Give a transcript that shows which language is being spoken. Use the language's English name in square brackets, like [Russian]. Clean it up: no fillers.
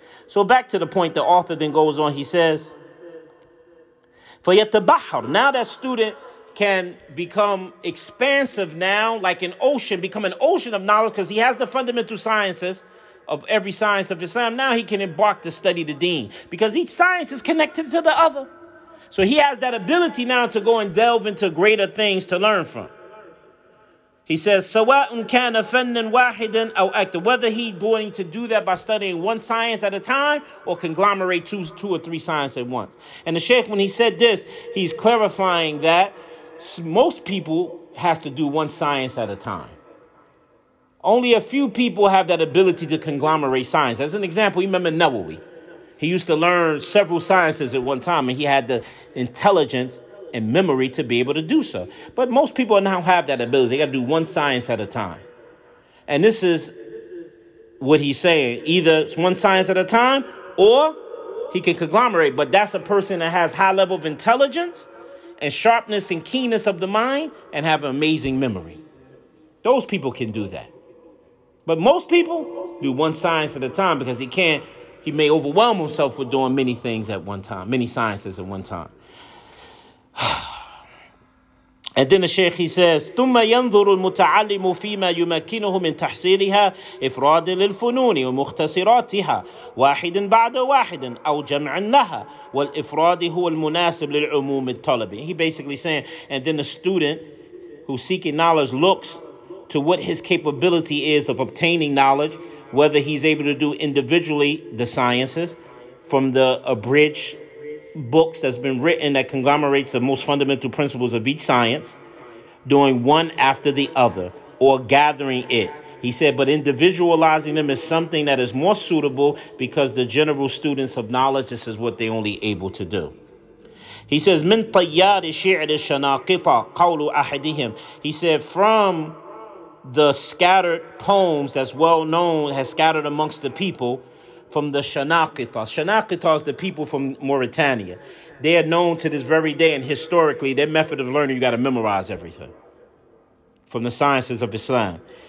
[English] So back to the point, the author then goes on. He says, for yet the Bahar, now that student can become expansive now, like an ocean, become an ocean of knowledge, because he has the fundamental sciences of every science of Islam. Now he can embark to study the deen, because each science is connected to the other. So he has that ability now to go and delve into greater things to learn from. He says, [Arabic] سَوَاءٌ كَانَ فَنًّا وَاحِدًا أَوْ أَكْتَرٌ. [English] Whether he's going to do that by studying one science at a time or conglomerate two or three sciences at once. And the sheikh, when he said this, he's clarifying that most people has to do one science at a time. Only a few people have that ability to conglomerate science. As an example, Imam Nawawi, he used to learn several sciences at one time, and he had the intelligence and memory to be able to do so. But most people now have that ability. They got to do one science at a time. And this is what he's saying. Either it's one science at a time, or he can conglomerate. But that's a person that has high level of intelligence and sharpness and keenness of the mind and have an amazing memory. Those people can do that. But most people do one science at a time because he may overwhelm himself with doing many things at one time, many sciences at one time. And then the Sheikh, he says, [Arabic] ثُمَّ يَنْظُرُ الْمُتَعَلِّمُ فِي مَا يُمَكِّنُهُ مِنْ تَحْسِيرِهَا إِفْرَادٍ لِلْفُنُونِ وَمُخْتَصِرَاتِهَا وَاحِدٍ بَعْدَ وَاحِدٍ أَوْ جَمْعٍ لَهَا وَالْإِفْرَادِ هُوَ الْمُنَاسِبُ لِلْعُمُومِ الطَّلَبِ. [English] He basically saying, and then the student who's seeking knowledge looks to what his capability is of obtaining knowledge, whether he's able to do individually the sciences from the abridged books that's been written that conglomerates the most fundamental principles of each science, doing one after the other, or gathering it. He said, but individualizing them is something that is more suitable because the general students of knowledge, this is what they're only able to do. He says, [Arabic] من طيار شعر الشناقطة قول أحدهم. [English] He said, from the scattered poems that's well known, has scattered amongst the people, from the Shanaqita. Shanaqita is the people from Mauritania. They are known to this very day, and historically, their method of learning, you got to memorize everything from the sciences of Islam.